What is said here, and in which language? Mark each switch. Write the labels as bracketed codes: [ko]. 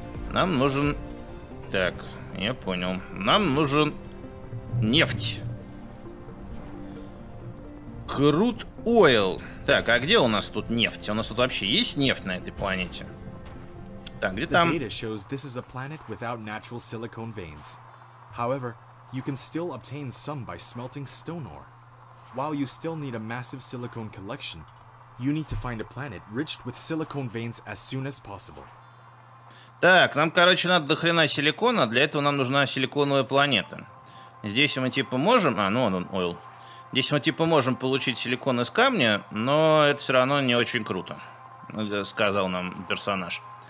[ru] Нам нужен... Так, я понял. Нам нужен Нефть. [en] Крут ойл. [ru] Так, а где у нас тут нефть? У нас тут вообще есть нефть на этой планете? Так, где там? [en] Data shows this is a planet without natural silicone veins. However, you can still obtain some by smelting stone ore. While you still need a massive silicone collection, you need to find a planet rich with silicone veins as soon as possible. [ru] Так, нам, короче, надо до хрена силикона, для этого нам нужна силиконовая планета. Здесь мы типа можем... А, ну вон он, ойл. Здесь мы типа можем получить силикон из камня, но это все равно не очень круто, сказал нам персонаж.